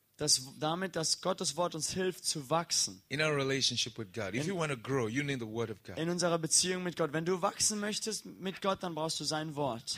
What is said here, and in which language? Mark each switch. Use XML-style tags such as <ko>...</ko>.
<de>Das, damit, dass Gottes Wort uns hilft zu wachsen.</de> <en>In our relationship with God. If you want to grow, you need the word of God.</en> <de>In unserer Beziehung mit Gott. Wenn du wachsen möchtest mit Gott, dann brauchst du sein Wort.</de>